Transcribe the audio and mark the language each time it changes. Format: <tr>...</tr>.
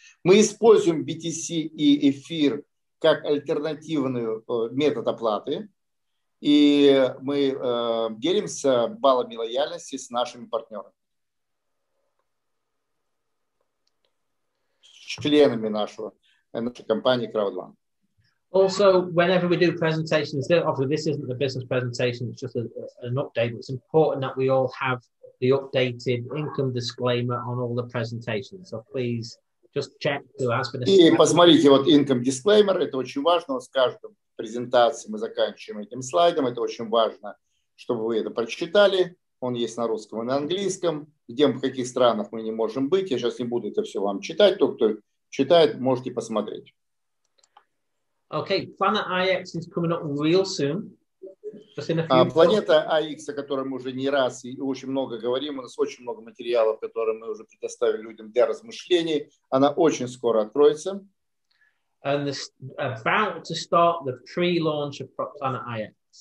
<ru>Мы используем BTC и эфир как альтернативный метод оплаты, и мы делимся баллами лояльности с нашими партнерами, с членами нашей компании CrowdOne.</ru> <en>Also, whenever we do presentations, obviously this isn't the business presentation, it's just an update. It's important that we all have the updated income disclaimer on all the presentations. So please just check who has been...</en> <ru>И посмотрите, вот income disclaimer, это очень важно. С каждой презентацией мы заканчиваем этим слайдом. Это очень важно, чтобы вы это прочитали. Он есть на русском и на английском. Где мы, в каких странах мы не можем быть. Я сейчас не буду это все вам читать. Тот, кто читает, можете посмотреть.</ru> <en>Okay, Planet IX is coming up real soon.</en> <ru>Планета IX, о которой мы уже не раз и очень много говорим, у нас очень много материалов, которые мы уже предоставили людям для размышлений, она очень скоро откроется.</ru> <en>And this, about to start the pre-launch of Planet IX.</en>